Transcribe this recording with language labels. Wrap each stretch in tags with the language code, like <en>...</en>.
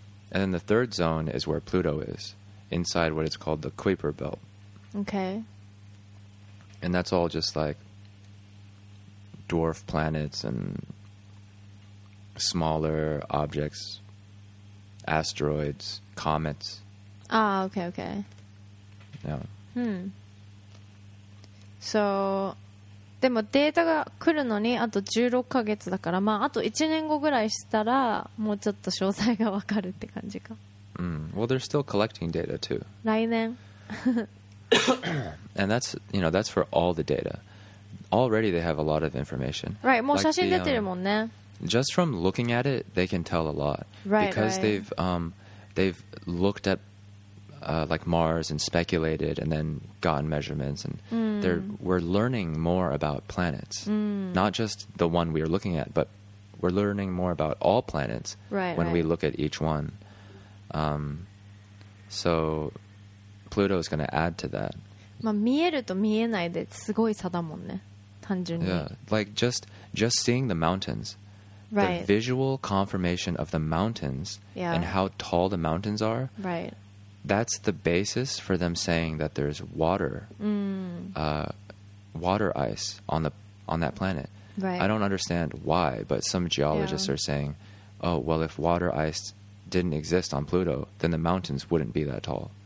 <en>And then the third zone is where Pluto is, inside what is called the Kuiper Belt. Okay. And that's all just like dwarf planets and smaller objects, asteroids, comets. Ah, okay, okay. Yeah. Hmm.</en> <ja>So, でもデータが来るのにあと16ヶ月だから、まあ、あと1年後ぐらいしたらもうちょっと詳細が分かるって感じか。</ja> <en>Mm. Well, they're still collecting data too.</en> <ja>来年。</ja> <en>And that's, you know, that's for all the data. Already they have a lot of information.</en> <ja>Right, もう写真出てるもんね。</ja> <en>Just from looking at it, they can tell a lot. Right, because right. they've looked at like Mars and speculated and then gotten measurements and we're learning more about planets. Mm. Not just the one we are looking at, but we're learning more about all planets when we look at each one. So Pluto is going to add to that.</en> <ja>まあ、見えると見えないですごい差だもんね。単純に。</ja> <en>Yeah, like just seeing the mountains. Right. The visual confirmation of the mountains and how tall the mountains are. Right. That's the basis for them saying that there's water, water ice on that planet. Right. I don't understand why, but some geologists are saying, oh, well, if water ice didn't exist on Pluto, then the mountains wouldn't be that tall.</en>